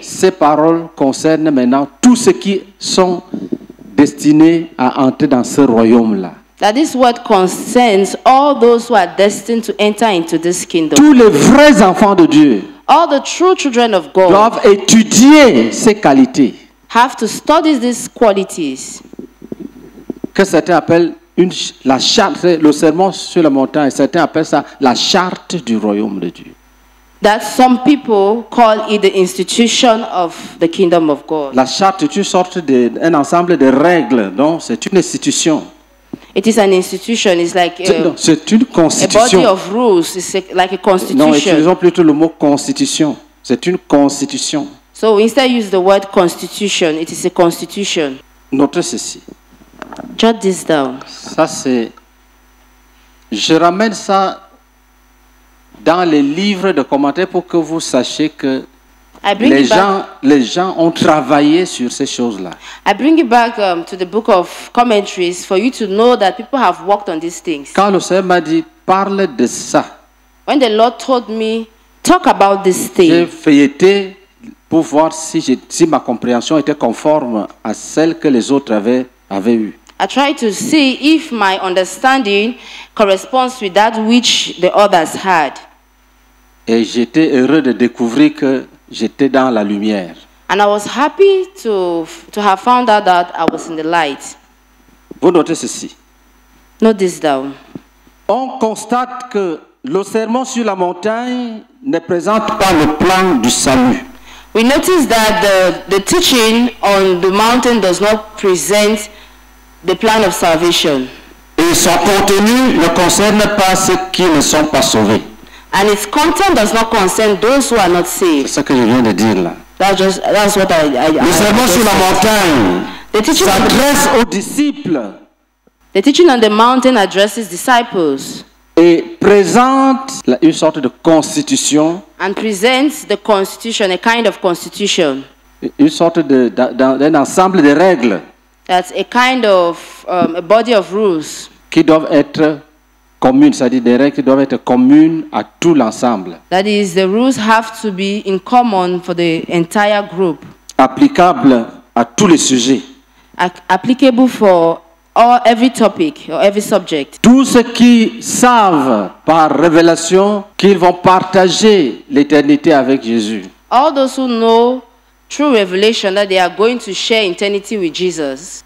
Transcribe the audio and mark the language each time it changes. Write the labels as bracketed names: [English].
[French] ces paroles concernent maintenant tous ceux qui sont destinés à entrer dans ce royaume-là. [English] That this word concerns all those who are destined to enter into this kingdom. [French] Tous les vrais enfants de Dieu. [English] All the true children of God. [French] Doivent étudier ces qualités. [English] Have to study these qualities. [French] Que certains appellent la charte, le sermon sur la montagne, certains appellent ça la charte du royaume de Dieu. [English] That some people call it the institution of the kingdom of God. [French] La charte est une sorte d'un ensemble de règles, donc c'est une institution. [English] It is an institution. It's like [French] c'est une constitution. [English] A body of rules. It's like a constitution. [French] Non, utilisons plutôt le mot constitution. C'est une constitution. [English] So instead use the word constitution. It is a constitution. [French] Notez ceci. [English] Jot this down. [French] Ça c'est. Je ramène ça dans les livres de commentaires pour que vous sachiez que les gens ont travaillé sur ces choses-là. [English] I bring it back to the book of commentaries for you to know that people have worked on these things. [French] Quand le Seigneur m'a dit parle de ça. [English] When the Lord told me talk about this thing. [French] J'ai feuilleté pour voir si ma compréhension était conforme à celle que les autres avaient eue. [English] I tried to see if my understanding corresponds with that which the others had. [French] Et j'étais heureux de découvrir que j'étais dans la lumière. [English] And I was happy to have found out that I was in the light. [French] Vous notez ceci. [English] Note this down. [French] On constate que le sermon sur la montagne ne présente pas le plan du salut. [English] We notice that the teaching on the mountain does not present the plan of salvation. [French] Et son contenu ne concerne pas ceux qui ne sont pas sauvés. [English] And its content does not concern those who are not saved. [French] C'est ce que je viens de dire là. [English] That's what I [French] le sermon sur la montagne. [English] The teaching [French] s'adresse aux disciples. [English] The teaching on the mountain addresses disciples. [French] Et présente une sorte de constitution. [English] And presents the constitution, a kind of constitution. [French] Une sorte d'un ensemble de règles. [English] That's a kind of a body of rules. [French] Qui doivent être communes, c'est-à-dire des règles qui doivent être communes à tout l'ensemble. [English] That is, the rules have to be in common for the entire group. [French] Applicable à tous les sujets. [English] Applicable for or every topic or every subject. [French] Tous ceux qui savent par révélation qu'ils vont partager l'éternité avec Jésus. [English] All those who know through revelation that they are going to share eternity with Jesus.